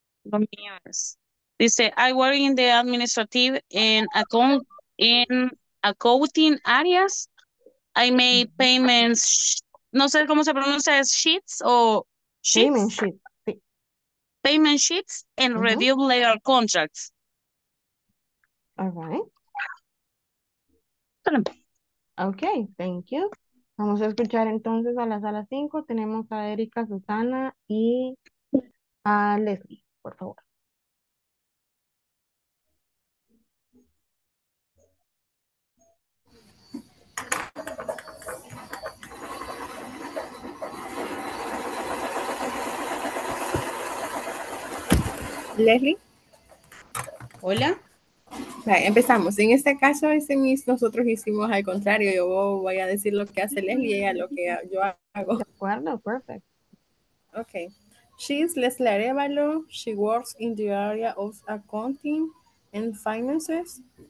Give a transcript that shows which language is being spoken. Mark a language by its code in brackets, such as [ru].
[en] Okay, dice, I work in the administrative and account in accounting areas. I made payments. [es] No sé cómo se pronuncia, [en] sheets or sheets? Payment sheet. Payment sheets and review legal contracts. All right. Okay, thank you. [es] Vamos a escuchar entonces a la sala 5. Tenemos a Erika, Susana y a Leslie, por favor. Leslie, Hola. Vale, empezamos. En este caso, ese mis, nosotros hicimos al contrario. Yo voy a decir lo que hace Leslie y a lo que yo hago. De acuerdo, perfecto. [en] Ok. She's Leslie Arevalo. She works in the area of accounting and finances.